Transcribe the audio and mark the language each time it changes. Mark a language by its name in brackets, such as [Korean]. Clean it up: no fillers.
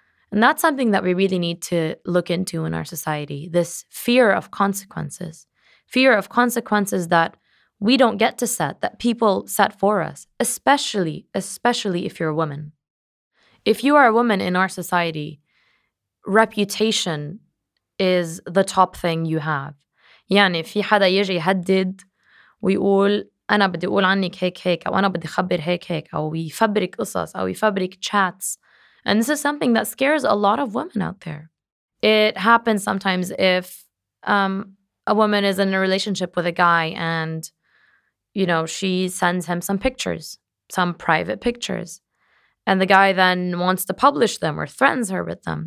[English] And that's something that we really need to look into in our society, this fear of consequences that we don't get to set, that people set for us, especially if you're a woman. If you are a woman in our society, reputation is the top thing you have. [Arabic] يعني في حدا يجي يهدد ويقول أنا بدي أقول عنك هيك هيك أو أنا بدي خبر هيك هيك أو يفبرك قصص أو يفبرك chats. [English] And this is something that scares a lot of women out there. It happens sometimes if a woman is in a relationship with a guy and, you know, she sends him some pictures, some private pictures, and the guy then wants to publish them or threatens her with them.